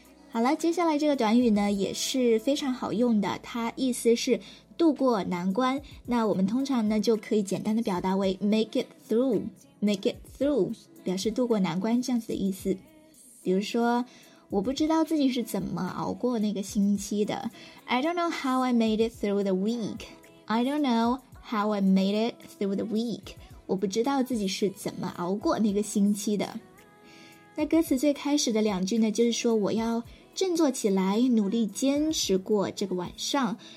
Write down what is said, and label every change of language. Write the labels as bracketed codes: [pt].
[zh] 好了，接下来这个短语呢也是非常好用的，它意思是度过难关。那我们通常呢就可以简单的表达为 [en] make it through, make it through, [zh] 表示度过难关这样子的意思。比如说，我不知道自己是怎么熬过那个星期的。 [en] I don't know how I made it through the week. I don't know how I made it through the week. [zh] 我不知道自己是怎么熬过那个星期的。那歌词最开始的两句呢，就是说我要振作起来，努力坚持过这个晚上。